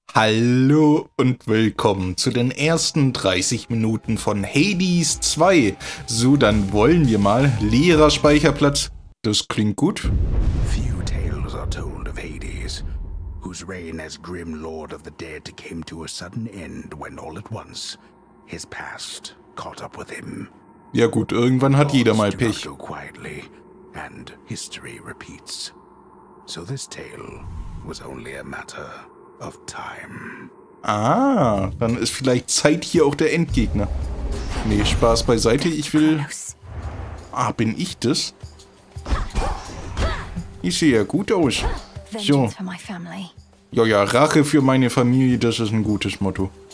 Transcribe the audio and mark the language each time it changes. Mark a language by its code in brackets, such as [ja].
[de] Hallo und willkommen zu den ersten 30 Minuten von Hades 2. So, dann wollen wir mal. Leerer Speicherplatz. Das klingt gut. [en] Few tales are told of Hades, whose reign as grim lord of the dead came to a sudden end when all at once his past caught up with him. [de] Ja gut, irgendwann hat jeder mal Pech. [en] And history repeats. So this tale was only a matter of time. [de] Ah, dann ist vielleicht Zeit hier auch der Endgegner. Nee, Spaß beiseite, ich will... Ah, bin ich das? Ich sehe ja gut aus. So. Ja, Rache für meine Familie, das ist ein gutes Motto.